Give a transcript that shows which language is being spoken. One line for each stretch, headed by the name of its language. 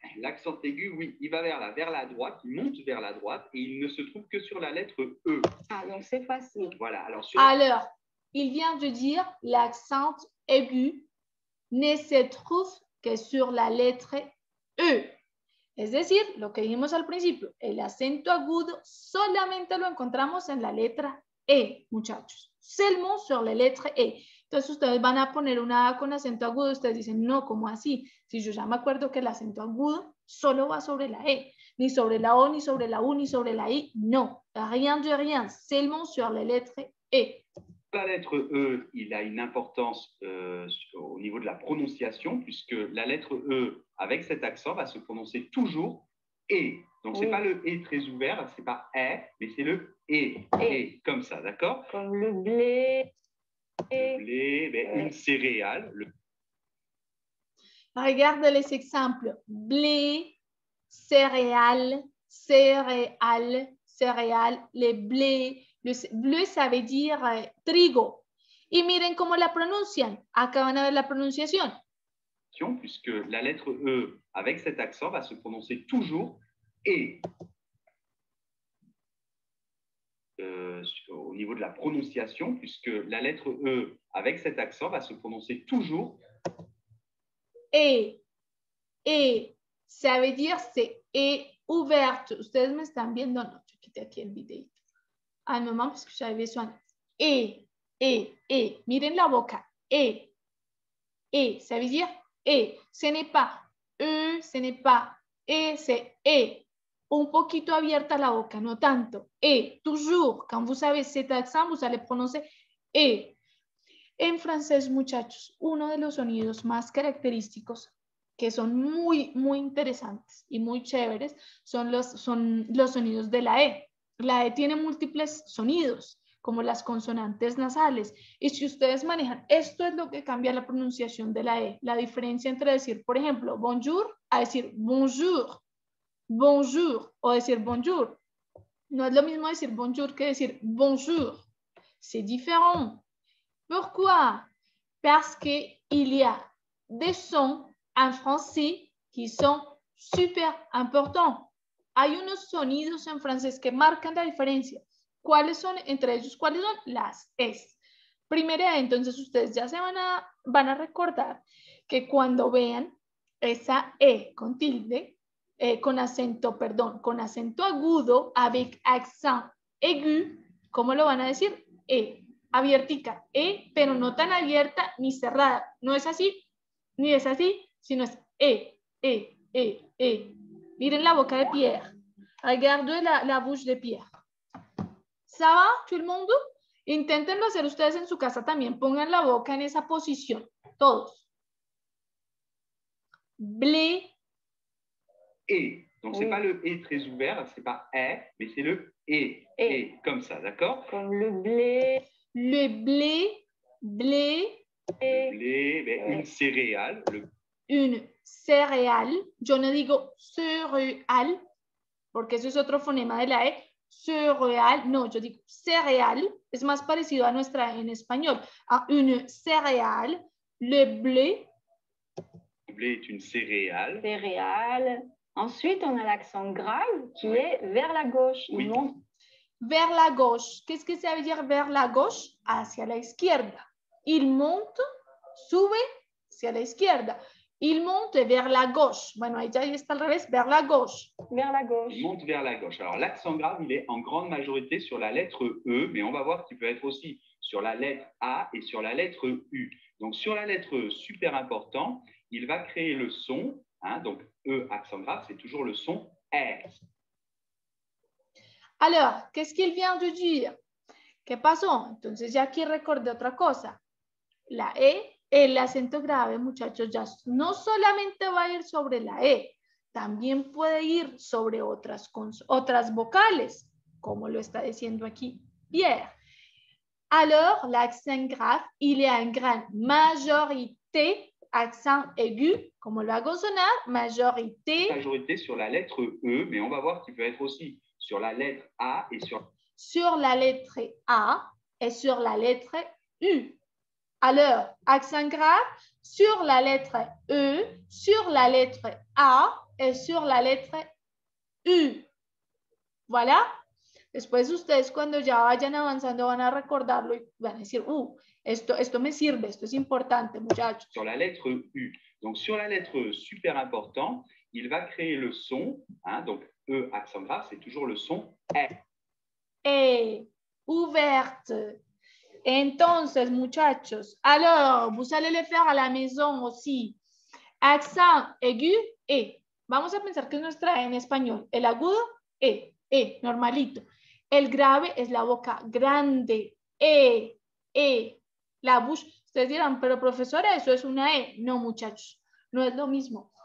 French: L'accent aigu, oui, il va vers là, vers la droite, il monte vers la droite et il ne se trouve que sur la lettre E. Ah, donc c'est facile. Voilà. Alors, il vient de dire l'accent aigu ne se trouve que sur la lettre E.
Spanish: Es decir, lo que dijimos al principio, el acento agudo solamente lo encontramos en la letra E, muchachos.
French: Seulement sur la lettre E.
Spanish: Entonces, ustedes van a poner una A con acento agudo. Ustedes dicen, no, ¿cómo así? Si yo ya me acuerdo que el acento agudo solo va sobre la E. Ni sobre la O, ni sobre la U, ni sobre la I.
French: No. Rien de rien. Seulement sur la lettre E. La lettre E, il a une importance au niveau de la prononciation, puisque la lettre E, avec cet accent, va se prononcer toujours E. Donc, ce n'est pas le E très ouvert, ce n'est pas E, mais c'est le E. E, comme ça, d'accord? Comme le blé. Le blé, mais une céréale. Regarde les exemples. Blé, céréale, céréale, céréale, le blé. Le bleu, ça veut dire trigo. Et
Spanish: miren
French: comment la prononcent.
Spanish: Acaban de ver la
French: prononciation. Puisque la lettre E, avec cet accent, va se prononcer toujours E. Au niveau de la prononciation, puisque la lettre E, avec cet accent, va se prononcer toujours. E, ça veut dire c'est E ouverte.
Spanish: Ustedes me están viendo,
French: non, je quitte
Spanish: aquí el vidéo.
French: Un moment, parce que j'avais besoin. E,
Spanish: miren la boca.
French: E, ça veut dire E. Ce n'est pas E, ce n'est pas E, c'est E.
Spanish: Un poquito abierta la boca, no tanto. E,
French: toujours. Quand vous avez cet accent, vous allez prononcer E.
Spanish: En francés, muchachos, uno de los sonidos más característicos, que son muy, muy interesantes y muy chéveres, son los sonidos de la E. La E tiene múltiples sonidos, como las consonantes nasales. Y si ustedes manejan, esto es lo que cambia la pronunciación de la E. La diferencia entre decir, por ejemplo, bonjour, a decir bonjour. Bonjour, o decir bonjour. No es lo mismo decir bonjour que decir bonjour.
French: C'est différent. Pourquoi? Parce qu'il y a des sons en français qui sont super importants.
Spanish: Hay unos sonidos en francés que marcan la diferencia. ¿Cuáles son entre ellos? ¿Cuáles son? Las es. Primera, entonces ustedes ya se van a recordar que cuando vean esa E con tilde, con acento agudo,
French: avec accent aigu,
Spanish: ¿cómo lo van a decir? E, abiertica, E, pero no tan abierta ni cerrada, no es así, ni es así, sino es E. Miren la boca de Pierre,
French: regarde la bouche de Pierre. ¿Ça va,
Spanish: todo el mundo? Inténtenlo hacer ustedes en su casa también, pongan la boca en esa posición, todos.
French: Blé. E. Donc, ce n'est pas le E très ouvert, ce n'est pas E, mais c'est le E. E. Comme ça, d'accord? Comme le blé. Le blé. Blé. Le blé, mais une céréale. Une céréale. Je ne dis pas céréale, parce que c'est un autre phonème de la E. Céréale. Non, je dis céréale. C'est plus parecido à notre en espagnol. Une céréale. Le blé. Le blé est une céréale. Céréale. Ensuite, on a l'accent grave qui est vers la gauche. Oui. Vers la gauche. Qu'est-ce que ça veut dire vers la gauche?
Spanish: Hacia la izquierda.
French: Il monte,
Spanish: sube, hacia la izquierda.
French: Il monte vers la gauche.
Spanish: Bueno, ahí ya está al revés,
French: vers la gauche. Vers la gauche. Il monte vers la gauche. Alors, l'accent grave, il est en grande majorité sur la lettre E, mais on va voir qu'il peut être aussi sur la lettre A et sur la lettre U. Donc, sur la lettre E, super important, il va créer le son. Hein, donc, E, accent grave, c'est toujours le son R. Alors, qu'est-ce qu'il vient de dire?
Spanish: ¿Qué pasó? Entonces ya aquí recordé otra cosa. La E, el acento grave, muchachos, ya no solamente va a ir sobre la E, también puede ir sobre otras vocales, como lo está diciendo aquí Pierre.
French: Alors, l'accent grave, il est en gran majorité, accent aigu,
Spanish: como lo hago sonar,
French: majorité. Majorité sur la lettre E, mais on va voir qu'il peut être aussi sur la lettre A et sur... Sur la lettre A et sur la lettre U. Alors, accent grave, sur la lettre E, sur la lettre A et sur la lettre U. Voilà.
Spanish: Después ustedes cuando ya vayan avanzando van a recordarlo y van a decir, esto me sirve, esto es importante, muchachos.
French: Sur la lettre U. Donc sur la lettre U, super important, il va créer le son, hein, donc E, accent grave, c'est toujours le son E. E, ouverte.
Spanish: Entonces, muchachos,
French: alors, vous allez le faire à la maison aussi. Accent aigu, E.
Spanish: Vamos a pensar que es nuestra en español. El agudo, E, E, normalito. El grave es la boca grande, E, E.
French: La bouche,
Spanish: ustedes dirán, pero profesora, eso es una E. No, muchachos, no es lo mismo.